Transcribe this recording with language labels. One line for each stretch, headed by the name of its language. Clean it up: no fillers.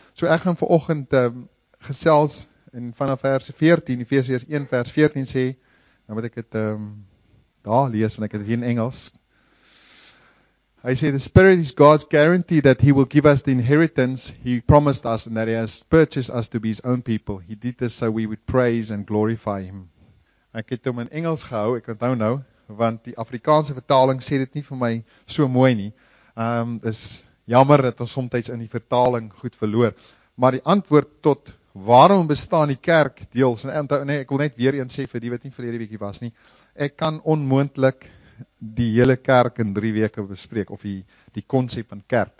Afrikaans: So ek gaan vanoggend gesels, en vanaf vers 14, Efesiërs 1 vers 14 sê, dan moet ek het daar lees, want ek het hier in Engels. Hy sê,
English: the Spirit is God's guarantee that he will give us the inheritance he promised us, and that he has purchased us to be his own people. He did this so we would praise and glorify him.
Afrikaans: Ek het hom in Engels gehou, ek onthou nou, want die Afrikaanse vertaling sê dit nie vir my so mooi nie. Is jammer dat ons somtijds in die vertaling goed verloor. Maar die antwoord tot waarom bestaan die kerk deels, en onthou, nee, ek wil net weer eens sê vir die wat nie verlede weekie was nie, ek kan onmoontlik die hele kerk in 3 weke bespreek, of die konsep van kerk.